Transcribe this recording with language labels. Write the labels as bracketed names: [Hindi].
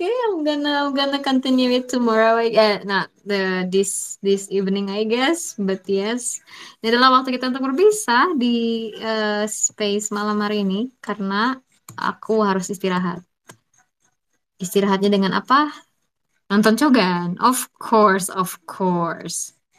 [English] I'm gonna continue it tomorrow. This evening, I guess. But yes, [Indonesian] ini adalah waktu kita untuk berpisah di space malam hari ini karena aku harus istirahat. Istirahatnya dengan apa? [English] Nonton Cogan, of course, of course.